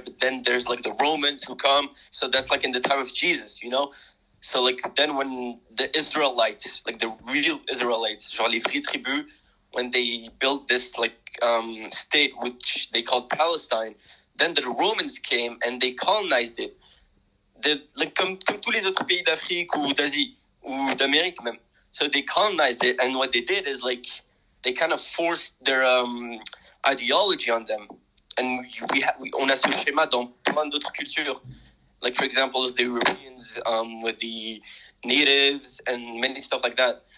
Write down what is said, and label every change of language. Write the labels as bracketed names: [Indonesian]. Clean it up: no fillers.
[English] But then there's, like, the Romans who come. So that's, like, in the time of Jesus, you know? So, like, then when the Israelites, like, the real Israelites, [French] genre les vraies tribus, [English] when they built this, like, state, which they called Palestine, then the Romans came and they colonized it. Like, [French] comme tous les autres pays d'Afrique ou d'Asie ou d'Amérique même. [English] So they colonized it, and what they did is, like, they kind of forced their ideology on them. [French] And on a ce schéma dans plein d'autres cultures. [English] Like, for example, the Europeans with the natives and many stuff like that.